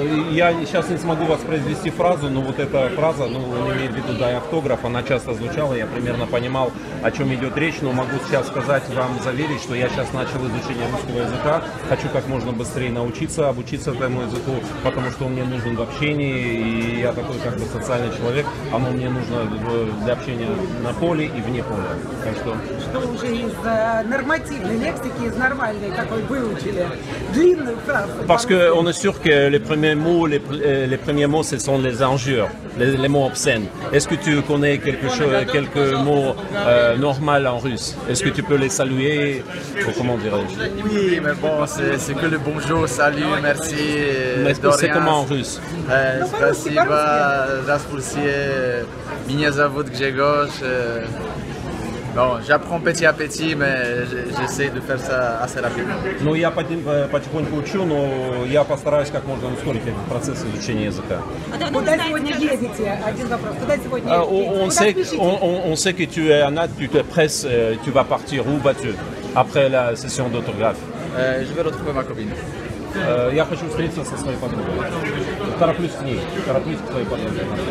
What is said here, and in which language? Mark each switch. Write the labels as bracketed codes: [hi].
[ru] Я сейчас не смогу воспроизвести фразу, но вот эта фраза, ну, он имеет в виду, да, автограф, она часто звучала, я примерно понимал, о чем идет речь, но могу сейчас сказать вам, заверить, что я сейчас начал изучение русского языка, хочу как можно быстрее обучиться этому языку, потому что он мне нужен в общении, и я такой как бы социальный человек, оно мне нужно для общения на поле и вне поля. Так что... Что уже из нормативной лексики, из нормальной такой выучили, длинную фразу. [fr] Parce que on est sûr que les premiers mots, ce sont les injures, les mots obscènes. Est-ce que tu connais quelques mots normaux en russe? Est-ce que tu peux les saluer? Comment dirais-je? Oui, mais bon, c'est que le bonjour, salut, merci. Mais c'est comment en russe? [ru] Спасибо, здравствуйте, меня зовут Grzegorz. [fr] Bon, j'apprends petit à petit, mais j'essaie de faire ça assez rapidement. [ru] Ну, я потихоньку учу, но я постараюсь как можно ускорить этот процесс изучения языка. Куда сегодня ездите? Один вопрос. Куда сегодня ездите? [fr] On sait que tu es en Inde, tu te presses, tu vas partir. Où vas-tu après la session d'autographe? Je vais retrouver ma copine. [ru] Я хочу встретиться со своей подругой. Тороплюсь к ней. Тороплюсь к своей подруге.